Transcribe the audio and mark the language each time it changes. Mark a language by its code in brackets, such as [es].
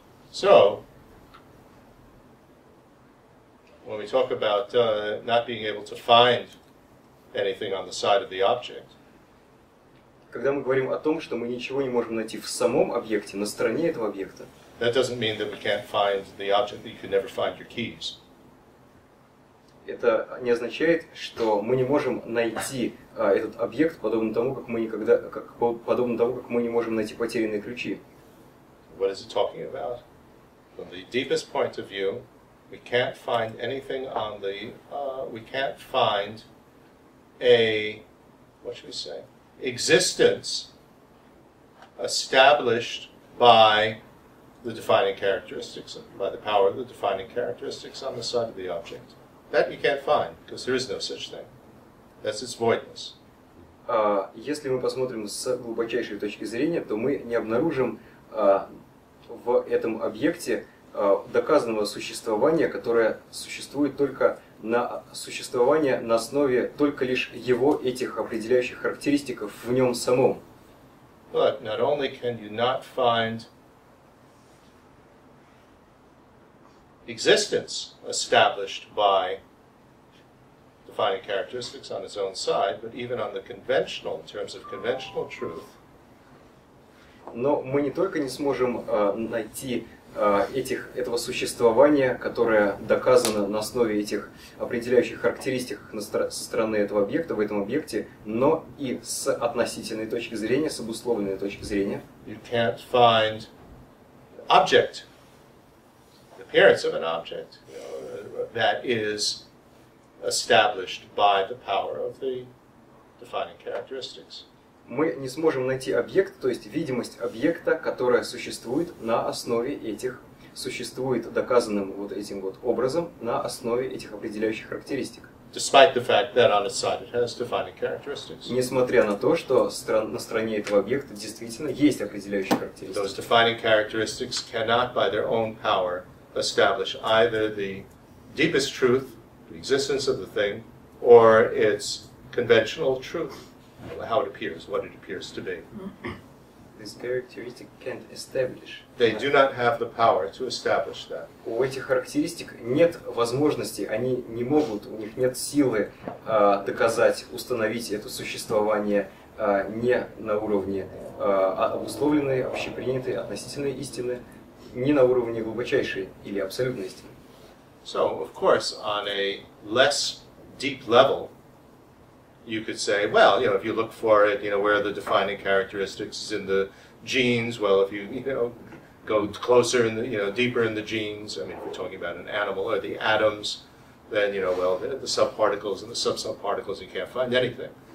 [en] So, when we talk about not being able to find anything on the side of the object, [ru] когда мы говорим о том, что мы ничего не можем найти в самом объекте, на стороне этого объекта, [en] that doesn't mean that we can't find the object, that you can never find your keys. [ru] Это не означает, что мы не можем найти этот объект, подобно тому, как мы не можем найти потерянные ключи. [en] What is it talking about? From the deepest point of view, we can't find anything on the... we can't find a... What should we say? Existence established by the defining characteristics, by the power of the defining characteristics on the side of the object. That you can't find, because there is no such thing. That's its voidness. [ru] Если мы посмотрим с глубочайшей точки зрения, то мы не обнаружим в этом объекте доказанного существования, которое существует только на существование на основе только лишь его этих определяющих характеристик в нем самом. [en] But not only can you not find existence established by defining characteristics on its own side, but even on the conventional, in terms of conventional truth. [ru] Но мы не только не сможем найти этого существования, которое доказано на основе этих определяющих характеристик со стороны этого объекта, в этом объекте, но и с относительной точки зрения, с обусловленной точки зрения. [en] You can't find object, the appearance of an object, you know, that is established by the power of the defining characteristics. [ru] Мы не сможем найти объект, то есть видимость объекта, которая существует на основе этих, существует доказанным вот этим вот образом на основе этих определяющих характеристик. [en] Despite the fact that on its side it has defining characteristics. [ru] Несмотря на то, что на стороне этого объекта действительно есть определяющие характеристики. [en] Those defining characteristics cannot by their own power establish either the deepest truth, the existence of the thing, or its conventional truth. How it appears, what it appears to be. This characteristic can't establish. They do not have the power to establish that. [ru] У этих характеристик нет возможности, они не могут, у них нет силы доказать, установить это существование не на уровне обусловленной, общепринятой, относительной истины, не на уровне глубочайшей или абсолютной истины. [en] So, of course, on a less deep level, you could say, well, you know, if you look for it, you know, where are the defining characteristics? It's in the genes. Well, if you, you know, go closer in the, you know, deeper in the genes, I mean, if we're talking about an animal or the atoms, then, you know, well, the subparticles and the sub-subparticles, you can't find anything.